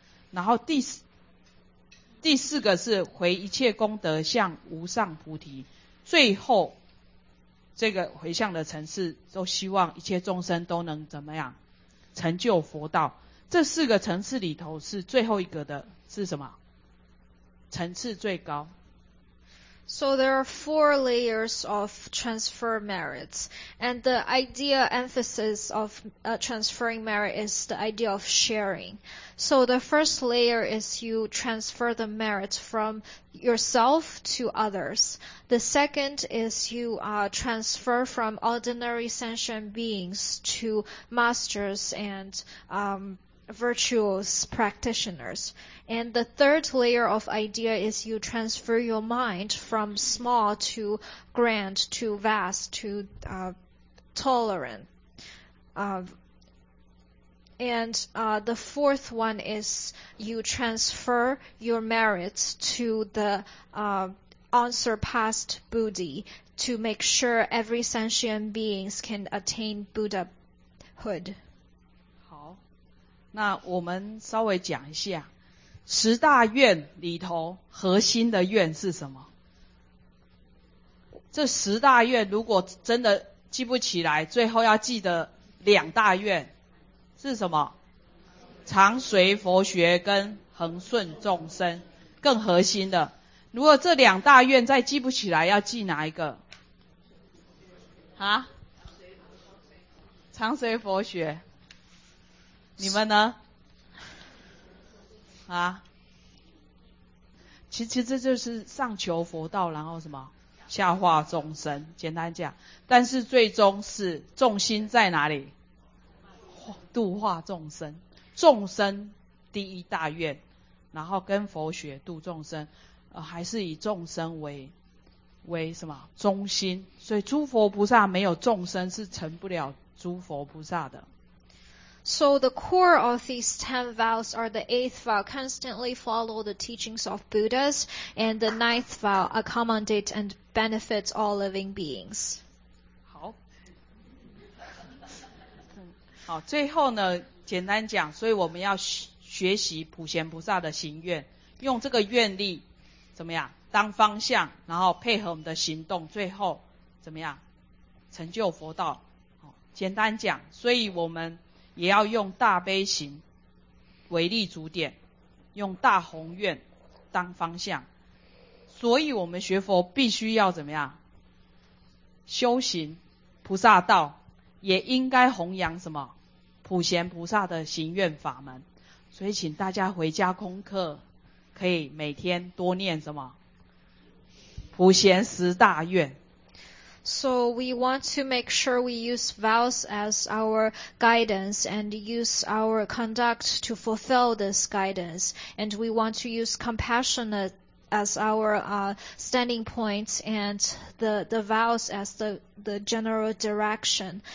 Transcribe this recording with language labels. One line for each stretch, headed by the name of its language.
Chinese: 然后第四个是回一切功德向无上菩提，最后这个回向的层次都希望一切众生都能怎么样成就佛道。这四个层次里头是最后一个的是什么层次最高。
English: So there are four layers of transfer merits, and the idea emphasis of transferring merit is the idea of sharing. So the first layer is you transfer the merit from yourself to others. The second is you transfer from ordinary sentient beings to masters and virtuous practitioners. And the third layer of idea is you transfer your mind from small to grand to vast to tolerant. The fourth one is you transfer your merits to the unsurpassed Bodhi to make sure every sentient beings can attain Buddhahood.
Chinese: 好，那我们稍微讲一下十大愿里头核心的愿是什么？这十大愿如果真的记不起来，最后要记得两大愿是什么？常随佛学跟恒顺众生，更核心的。如果这两大愿再记不起来，要记哪一个？啊？常随佛学。你们呢？啊，其实这就是上求佛道，然后什么下化众生，简单讲。但是最终是重心在哪里？度化众生，众生第一大愿，然后跟佛学度众生，还是以众生为什么中心。所以诸佛菩萨没有众生是成不了诸佛菩萨的。
English: So the core of these 10 vows are the 8th vow, constantly follow the teachings of Buddhas, and the 9th vow, accommodate and benefit all living beings.
Chinese: 好。好，最后呢，简单讲，所以我们要学习普贤菩萨的行愿，用这个愿力，怎么样，当方向，然后配合我们的行动，最后，怎么样，成就佛道。简单讲，所以我们也要用大悲行为立足点，用大宏愿当方向。所以我们学佛必须要怎么样修行菩萨道，也应该弘扬什么普贤菩萨的行愿法门。所以请大家回家功课，可以每天多念什么普贤十大愿。
English: So we want to make sure we use vows as our guidance and use our conduct to fulfill this guidance. And we want to use compassionate as our standing point and the vows as the general direction.